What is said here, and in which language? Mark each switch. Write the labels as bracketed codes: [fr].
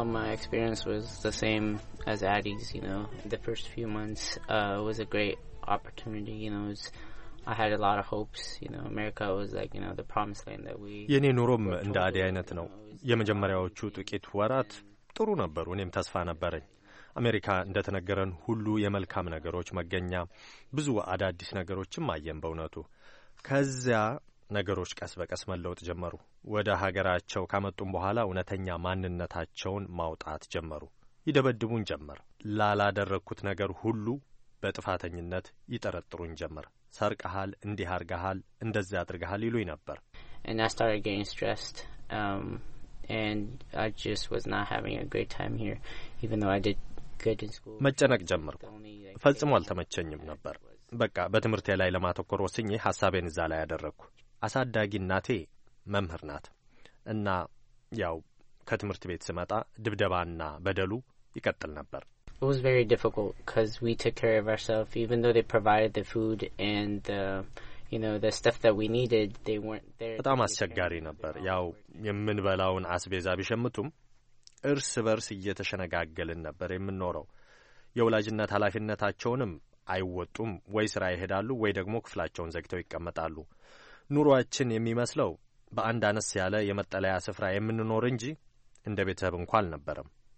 [en] Experience was the same as Addie's, you know. The first few months was a great opportunity, you know. I had a lot of hopes, you know. America was like, you know, the promised land that we [am] የኔ ኑሮም እንደ አዲ አይነት ነው። የመጀመሪያዎቹ ጥቂት ወራት ጥሩ ነበሩ። እኔም ተስፋ ነበረኝ። አሜሪካ እንደ ተነገረን ሁሉ የመልካም ነገሮች መገኛ፣ ብዙ አዳዲስ ነገሮችም አየን በእውነቱ። ከዛ ነገሮች ቀስ በቀስ መለወጥ ጀመሩ። ወደ ሀገራቸው ካመጡን በኋላ ወነተኛ ማንነታቸውን ማውጣት ጀመሩ። ይደበድቡን ጀመር። ላላደረኩት ነገር ሁሉ በጥፋተኝነት ይጠረጥሩን ጀመር። ሰርቀሃል እንዲህ አርጋሃል እንደዚያ አድርጋሃል ይሉኝ ነበር [en] And I started getting stressed and I just was not having a great time here even though I did good in school [am] መጨነቅ ጀመርኩ ፈጽሞ አልተመቸኝም ነበር በቃ በትምህርቴ ላይ ለማተኮር ወስኜ ሐሳቤን እዛ ላይ አደረኩ አሳዳጊ እናቴ መምህር ናት እና ያው ከትምህርት ቤት ስመጣ ድብደባና በደሉ ይከተል ነበር [en] It was very difficult cuz we took care of ourselves even though they provided the food and the you know the stuff that we needed they weren't there [am] በጣም አስቸጋሪ ነበር ያው የምንበላውን አስቤዛ ቢሸምቱም እርስ በርስ እየተሸነጋገልን ነበር የምንኖረው የወላጅነት ኃላፊነታቸውንም አይወጡም ወይ ስራ ይሄዳሉ ወይ ደግሞ ክፍላቸውን ዘግተው ይቀመጣሉ ኑሯችን የሚመስለው በአንድ አነስ ያለ የመጠለያ ስፍራ የምንኖር እንጂ እንደ ቤተሰብ እንኳን ነበርም